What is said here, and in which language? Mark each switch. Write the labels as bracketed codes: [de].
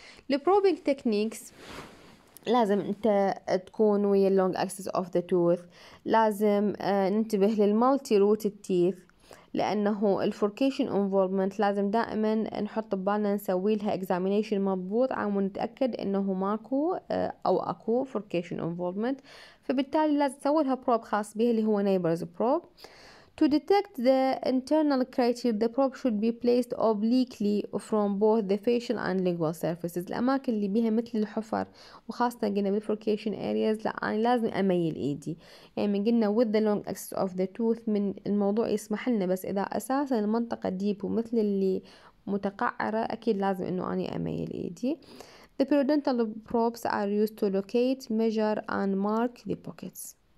[ar] البروبينج تكنيكس لازم انت تكون ويا اللونج اكسس اوف ذا توث، لازم ننتبه للمالتي روت التيث لانه الفوركيشن انفولفمنت، لازم دائما نحط ببالنا نسوي لها اكزامينيشن مضبوط عشان نتاكد انه ماكو او اكو فوركيشن انفولفمنت، فبالتالي لازم نسوي لها بروب خاص بها اللي هو نيبرز بروب. [en] To detect the internal criteria, the probe should be placed obliquely from both the facial and lingual surfaces. [ar] الأماكن اللي بيها مثل الحفر وخاصة قلنا بالفوركيشن areas، لأ أنا لازم أميل إيدي. يعني من قلنا [en] with the long axis of the tooth [ar] من الموضوع يسمح لنا، بس إذا أساسا المنطقة ديب ومثل اللي متقعرة أكيد لازم إنه أنا أميل إيدي. [en] The periodontal probes are used to locate, measure and mark the pockets.